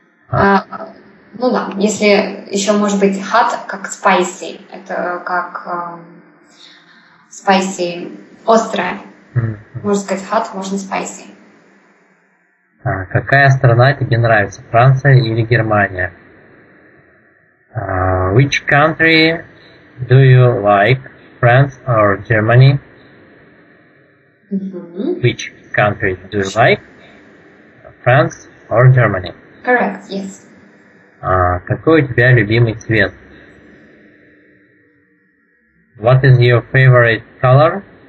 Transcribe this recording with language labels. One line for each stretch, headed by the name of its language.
Russian: Ну да, если еще может быть hot как spicy, это как spicy, острое. Mm-hmm. Можно сказать hot, можно spicy. А какая страна тебе нравится, Франция или Германия?
English: Which country do you like, France or Germany? Mm-hmm. Which country do you like, France or Germany? Correct, yes.
Russian: Какой у тебя любимый цвет?
English: What is your favorite color?